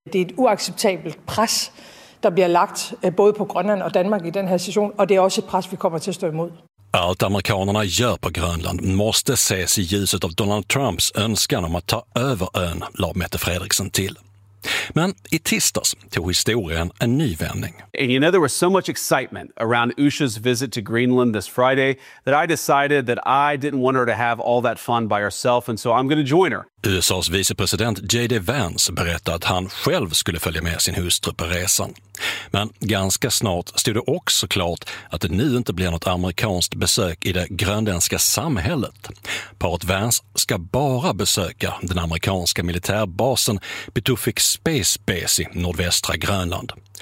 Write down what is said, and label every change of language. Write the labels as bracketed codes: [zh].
[sv] Det är ett oacceptabelt press. Det blir lagt både på Grönland och Danmark i den här sessionen och det är också ett press vi kommer till att stå emot. Allt amerikanerna gör på Grönland måste ses i ljuset av Donald Trumps önskan om att ta över ön, la Mette Frederiksen till. Men i tisdags tog historien en ny vändning. [en] And you know, there was so much excitement around Usha's visit to Greenland this Friday that I decided that I didn't want her to have all that fun by herself, and so I'm going to join her. [sv] USAs vicepresident J.D. Vance berättade att han själv skulle följa med sin hustru på resan. Men ganska snart stod det också klart att det nu inte blir något amerikanskt besök i det grönländska samhället. Paret Vance ska bara besöka den amerikanska militärbasen Pituffik Space Base i nordvästra Grönland.